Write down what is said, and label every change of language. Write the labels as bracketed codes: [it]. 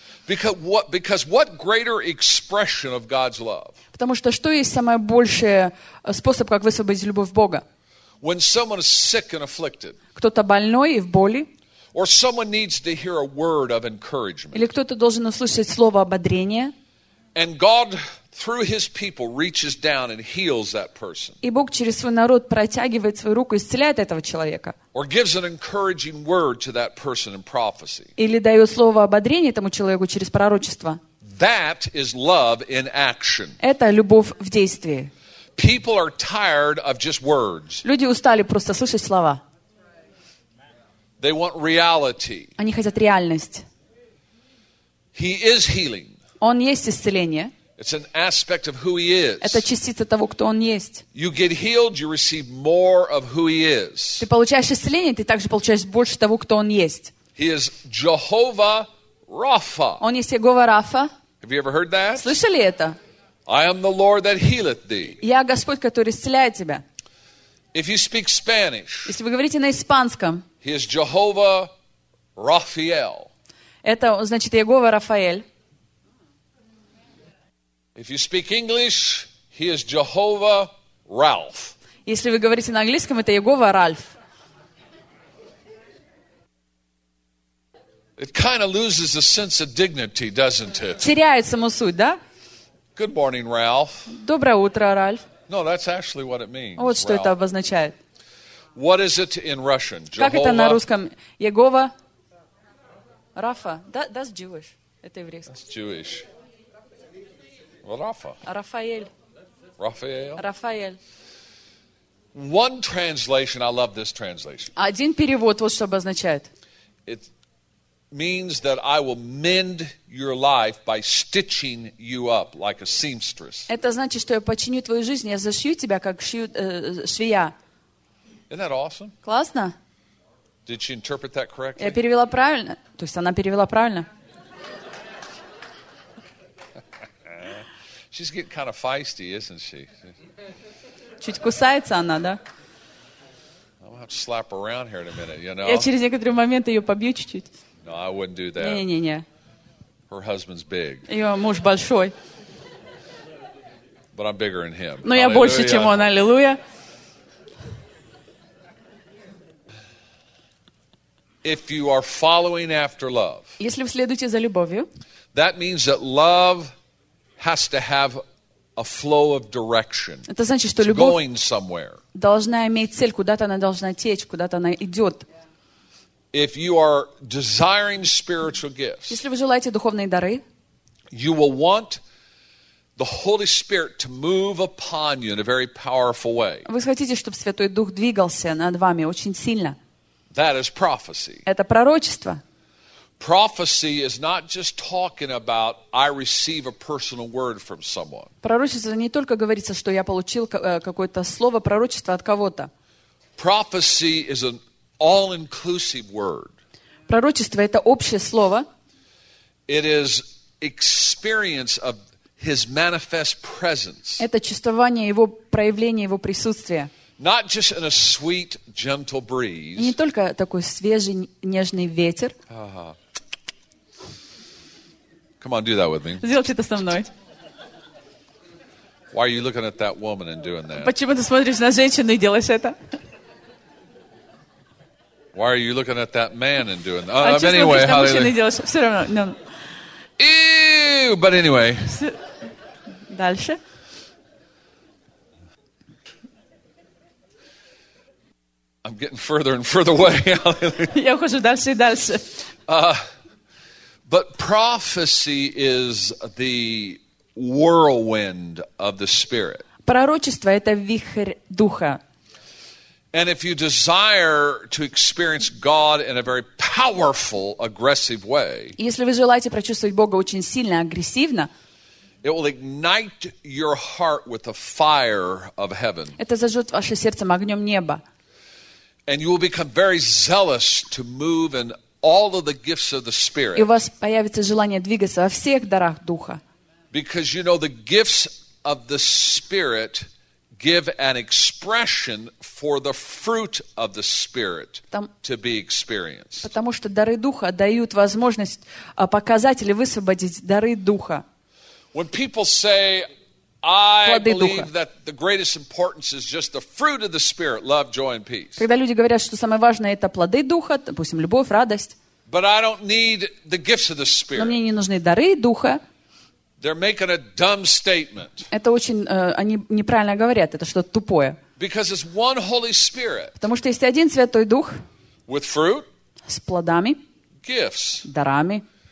[en] Because what greater expression of God's love? [ru] Потому что что есть самый большой способ, как высвободить любовь Бога? [en] When someone is sick and afflicted. [ru] Кто-то больной и в боли. [en] Or someone needs to hear a word of encouragement. [ru] Или кто-то должен услышать слово ободрения. [en] And God through His people reaches down and heals that person. [ru] И Бог через свой народ протягивает свою руку и исцеляет этого человека. [en] Or gives an encouraging word to that person in prophecy. [ru] Или дает слово ободрения этому человеку через пророчество. [en] That is love in action. [ru] Это любовь в действии. [en] People are tired of just words. [ru] Люди устали просто слышать слова. [en] They want reality. [ru] Они хотят реальность. [en] He is healing. [ru] Он есть исцеление. [en] It's an aspect of who he is. [ru] Это частица того, кто он есть. [en] You get healed, you receive more of who he is. [ru] Ты получаешь исцеление, ты также получаешь больше того, кто он есть. [en] He is Jehovah Rapha. [ru] Он есть Иегова Рафа. [en] Have you ever heard that? [ru] Слышали это? [en] I am the Lord that healeth thee. [ru] Я Господь, который исцеляет тебя. [en] If you speak Spanish. [ru] Если вы говорите на испанском. [en] He is Jehovah Raphael. [ru] Это значит Иегова Рафаэль. [en] If you speak English, he is Jehovah Ralph. [ru] Если вы говорите на английском, это Иегова Ральф. [en] It kind of loses a sense of dignity, doesn't it? [ru] Теряет саму суть, да? [en] Good morning, Ralph. [ru] Доброе утро, Ральф. [en] No, that's actually what it means. [ru] Вот что [en] Ralph. [ru] Это обозначает. [en] What is it in Russian? [ru] Jehovah. Как это на русском? Иегова Рафа. [en] That's Jewish. [ru] Это еврейский. [en] That's Jewish. Rafa. Rafael. Rafael. Rafael. One translation, I love this translation. [ru] Один перевод, вот что обозначает. [en] It means that I will mend your life by stitching you up like a seamstress. [ru] Это значит, что я починю твою жизнь, я зашью тебя, как швея. [en] Isn't that awesome? [ru] Классно. [en] Did she interpret that correctly? [ru] Я перевела правильно. То есть она перевела правильно. [en] She's getting kind of feisty, isn't she? [ru] Чуть кусается она, да? [en] I'm gonna have to slap her around here in a minute, you know. [ru] Я через некоторый момент ее побью чуть-чуть. [en] No, I wouldn't do that. [ru] Не-не-не. [en] Her husband's big. [ru] Ее муж большой. [en] But I'm bigger than him. [ru] Но я больше, чем он. Аллилуйя. [en] If you are following after love. [ru] Если вы следуете за любовью. [en] That means that love has to have a flow of direction. [ru] Это значит, что любовь должна иметь цель, куда-то она должна течь, куда-то она идет. [en] If you are desiring spiritual gifts, [ru] если вы желаете духовные дары, [en] you will want the Holy Spirit to move upon you in a very powerful way. [ru] Вы хотите, чтобы Святой Дух двигался над вами очень сильно. [en] That is prophecy. [ru] Это пророчество. [en] Prophecy is not just talking about I receive a personal word from someone. [ru] Пророчество не только говорится, что я получил какое-то слово пророчества от кого-то. [en] Prophecy is an all-inclusive word. [ru] Пророчество — это общее слово. [en] It is experience of His manifest presence. [ru] Это чувствование Его проявления, Его присутствия. [en] Not just in a sweet, gentle breeze. [ru] Не только такой свежий, нежный ветер. [en] Come on, do that with me. [ru] Сделайте это со мной. [en] Why are you looking at that woman and doing that? [ru] Почему ты смотришь на женщину и делаешь это? [en] Why are you looking at that man and doing that? [ru] А [en] anyway, how [ru] мужчина и делаешь? Все равно, [en] no. Ew, but anyway. [ru] Дальше. [en] I'm getting further and further away. [ru] Я ухожу дальше и дальше. [en] But prophecy is the whirlwind of the Spirit. [ru] Пророчество — это вихрь Духа. [en] And if you desire to experience God in a very powerful, aggressive way, [ru] если вы желаете прочувствовать Бога очень сильно, агрессивно, [en] it will ignite your heart with the fire of heaven. [ru] Это зажжет ваше сердце огнем неба. [en] And you will become very zealous to move in all of the gifts of the Spirit. [ru] И у вас появится желание двигаться во всех дарах Духа. [en] Because you know the gifts of the Spirit give an expression for the fruit of the Spirit to be experienced. [ru] Потому что дары Духа дают возможность показать или высвободить дары Духа. [en] When people say, I believe that the greatest importance is just the fruit of the Spirit, love, joy, and peace. [ru] Когда люди говорят, что самое важное — это плоды Духа, допустим, любовь, радость. [en] But I don't need the gifts of the Spirit. [ru] Но мне не нужны дары Духа. [en] They're making a dumb statement. [ru] Это очень, они неправильно говорят, это что-то тупое. [en] Because it's one Holy Spirit. [ru] Потому что есть один Святой Дух. [en] With fruit. [ru] С плодами. [en] Gifts. [ru] Дарами.